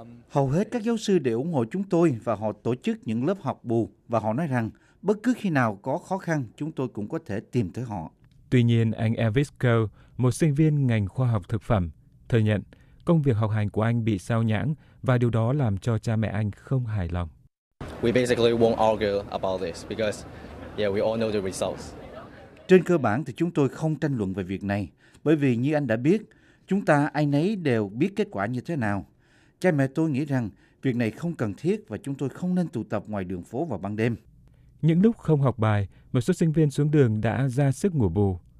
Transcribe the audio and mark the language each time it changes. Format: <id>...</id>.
<vi>hầu hết các giáo sư đều ủng hộ chúng tôi và họ tổ chức những lớp học bù và họ nói rằng bất cứ khi nào có khó khăn chúng tôi cũng có thể tìm tới họ. Tuy nhiên, anh Elvis Coe, một sinh viên ngành khoa học thực phẩm, thừa nhận công việc học hành của anh bị sao nhãng và điều đó làm cho cha mẹ anh không hài lòng.</vi> <en>We basically won't argue about this because we all know the results.</en> <vi>Trên cơ bản thì chúng tôi không tranh luận về việc này. Bởi vì như anh đã biết, chúng ta ai nấy đều biết kết quả như thế nào. Cha mẹ tôi nghĩ rằng việc này không cần thiết và chúng tôi không nên tụ tập ngoài đường phố vào ban đêm. Những lúc không học bài, một số sinh viên xuống đường đã ra sức ngủ bù.</vi>